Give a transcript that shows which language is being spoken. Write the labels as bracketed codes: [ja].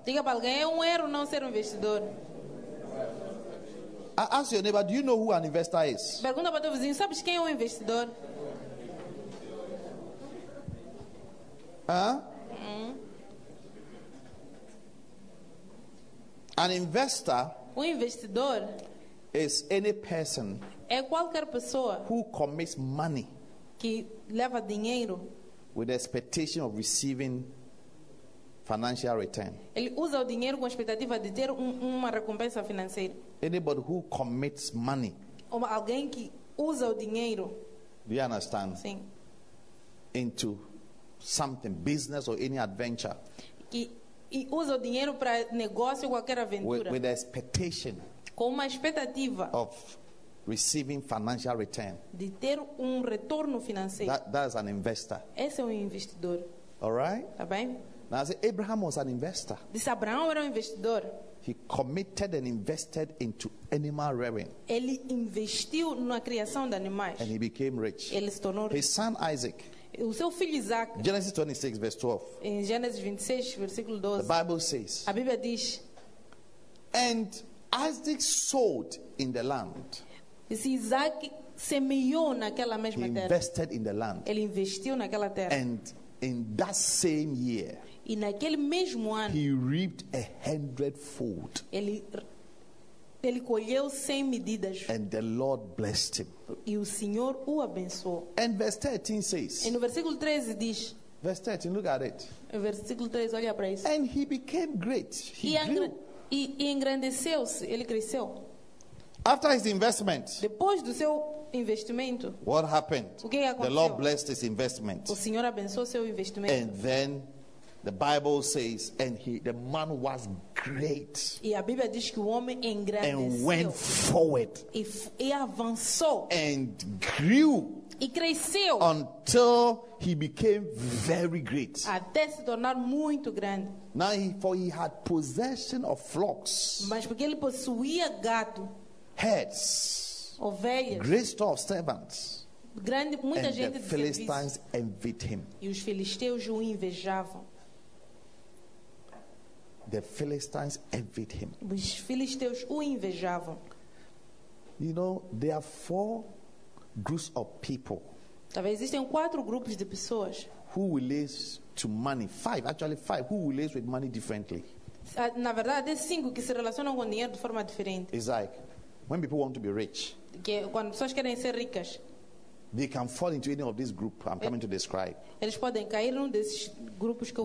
[pt] Diga para alguém, é um erro não ser investidor. [en] I ask your neighbor, do you know who an investor is? [pt] Pergunta para o teu vizinho, sabes quem é um investidor? [en] An investor. [pt] Um investidor. [en] Is any person. [pt] É qualquer pessoa. [en] Who commits money. [pt] Que leva dinheiro. [en] With the expectation of receiving financial return. [pt] Ele usa o dinheiro com a expectativa de ter uma recompensa financeira. [en] Anybody who commits money. [pt] Ou alguém que usa o dinheiro. [en] Do you understand? [pt] Sim. [en] Into something, business or any adventure. [pt] E usa o dinheiro para negócio ou qualquer aventura. [en] With the expectation. [pt] Com uma expectativa. [en] Of receiving financial return. [pt] De ter retorno financeiro. [en] That is an investor. [pt] Esse é investidor. [en] All right. [pt] Tá bem? [en] Now, see, Abraham was an investor. [pt] Disse Abraão era investidor. [en] He committed and invested into animal rearing. [pt] Ele investiu na criação de animais. [en] And he became rich. [pt] Ele se tornou rico. [en] His son Isaac. [pt] O seu filho Isaac. [en] Genesis 26 verse 12. [pt] Em Gênesis 26 versículo 12. [en] The Bible says. [pt] A Bíblia diz. [en] And Isaac sowed in the land. [pt] Isaac semeou naquela mesma terra. [en] He invested in the land. [pt] Ele investiu naquela terra. [en] And in that same year, [pt] e naquele mesmo ano, [en] he reaped a hundredfold. [pt] Ele colheu 100 medidas. [en] And the Lord blessed him. [pt] E o Senhor o abençoou. [en] And verse 13 says. [pt] E no versículo 13 diz. [en] Verse 13, look at it. [pt] Versículo 13, olha para isso. [en] And he became great. [pt] E engrandeceu-se, ele cresceu. [en] After his investment. [pt] Depois do seu investimento. [en] What happened? [pt] O que aconteceu? [en] The Lord blessed his investment. [pt] O Senhor abençoou seu investimento. [en] And then the Bible says, and the man was great. [pt] E a Bíblia diz que o homem engrandeceu. [en] And went forward. [pt] E avançou. [en] And grew. [pt] E cresceu. [en] Until he became very great. [pt] Até se tornar muito grande. [en] Now he had possession of flocks. [pt] Mas porque ele possuía gato. [en] Heads. [pt] Ovelhas. [en] Great store of servants. [pt] Grande, muita [en] and [pt] gente [en] the Philistines envied him. [pt] E os filisteus o invejavam. [en] The Philistines envied him. [pt] Os filisteus o invejavam. [en] You know, there are four groups of people. [pt] Talvez existem quatro grupos de pessoas. [en] Who relates to money? Five, actually five. Who relates with money differently? [pt] Na verdade, é cinco que se relacionam com dinheiro de forma diferente. [en] It's like when people want to be rich. [pt] Que quando pessoas querem ser ricas. [en] They can fall into any of these groups I'm coming to describe. [pt] Eles podem cair num desses grupos que eu